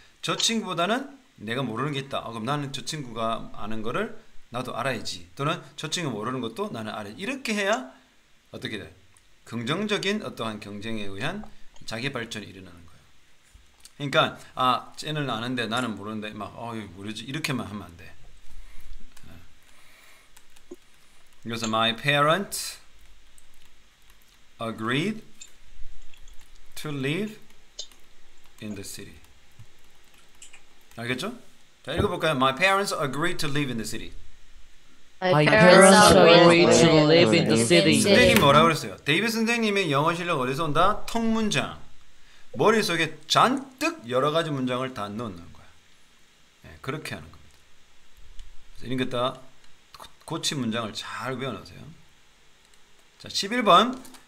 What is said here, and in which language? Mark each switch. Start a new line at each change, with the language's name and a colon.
Korean: 저 친구보다는 내가 모르는 게 있다. 그럼 나는 저 친구가 아는 거를 나도 알아야지. 또는 저 친구 모르는 것도 나는 알아야지. 이렇게 해야 어떻게 돼? 긍정적인 어떠한 경쟁에 의한 자기 발전이 일어나는 거예요. 그러니까 쟤는 아는데 나는 모르는데 막 모르지 이렇게만 하면 안 돼. 그래서
English: my parents agreed to live in the city.
Korean: 알겠죠? 자 읽어볼까요?
English: My parents agreed to live in the city. My parents agreed to live in the city.
Korean: 선생님이 뭐라고 그랬어요? 데이비드 선생님의 영어 실력 어디서 온다? 통문장. 머릿속에 잔뜩 여러 가지 문장을 다 넣는 거야. 네, 그렇게 하는 겁니다. 이런 것 다 고친 문장을 잘 외워놓으세요. 자, 11번.